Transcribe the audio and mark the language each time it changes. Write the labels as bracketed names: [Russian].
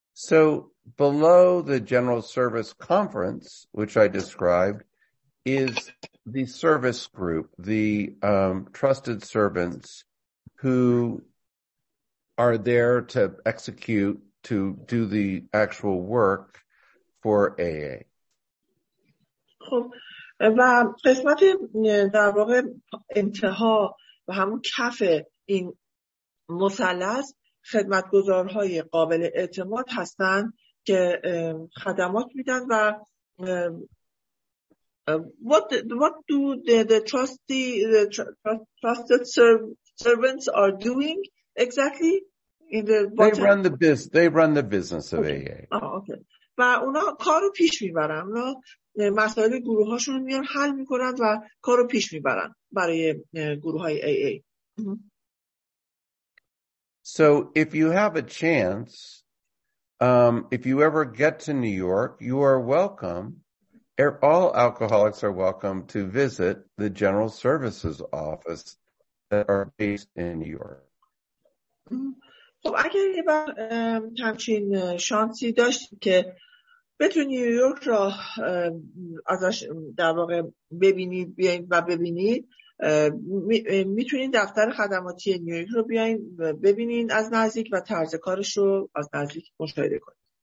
[English] So below the General Service Conference, which I described, is the service group, the trusted servants who are there to execute, to do the actual work for AA. [Persian] خب و قسمت در واقع انتها و همون کف این مثلث خدمتگزارهای قابل اعتماد هستند که خدمات میدن و [English] what do the trusted servants are doing exactly in the bottom? they run the business of AA. [Persian] و اونا کارو پیش میبرن، اونا مسائل گروه هاشون رو میان حل میکنن و کارو پیش میبرن برای گروه های AA. [English] So if you have a chance, if you ever get to New York, you are welcome. All alcoholics are welcome to visit the General Services Office that are based in New York. [Persian] خب اگر یه بار همچین شانسی داشتید که بتونید نیویورک را ازش در واقع ببینید بیاین و ببینید میتونید دفتر خدماتی نیویورک رو بیاین ببینین از نزدیک و طرز کارش رو از نزدیک مشاهده کنید.